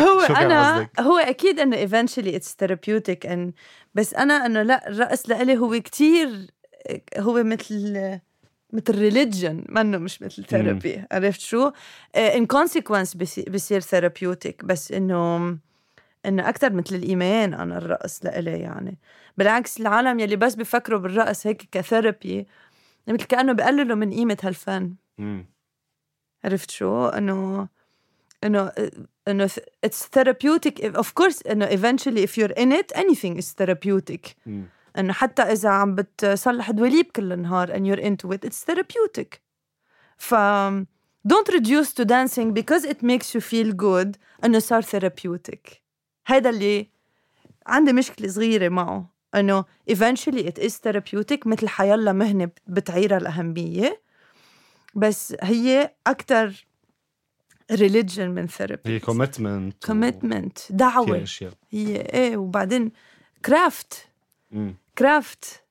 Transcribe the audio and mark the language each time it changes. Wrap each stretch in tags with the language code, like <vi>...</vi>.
<ar>هو أنا هو أكيد أنه eventually it's therapeutic and، بس أنا أنه لا، الرقص لألي هو كتير، هو مثل religion، منه مش مثل therapy. عرفت شو؟ in consequence بصير therapeutic، بس أنه أكتر مثل الإيمان أنا الرقص لألي يعني. بالعكس العالم يلي بس بيفكروا بالرقص هيك كثيرابي مثل كأنه بقللوا من قيمة هالفن.</ar> <en>عرفت شو؟ أنه it's therapeutic of course، أنه eventually if you're in it anything is therapeutic.</en> <ar>أنه حتى إذا عم بتصلح دوليب كل النهار and you're into it it's therapeutic.</ar> <en>ف don't reduce to dancing because it makes you feel good أنه صار therapeutic.</en> <ar>هذا اللي عندي مشكلة صغيرة معه، أنه eventually it is therapeutic مثل حيالة مهنة بتعيرها الأهمية، بس هي أكتر religion من therapy. هي commitment دعوة هي. إيه وبعدين craft. craft</ar>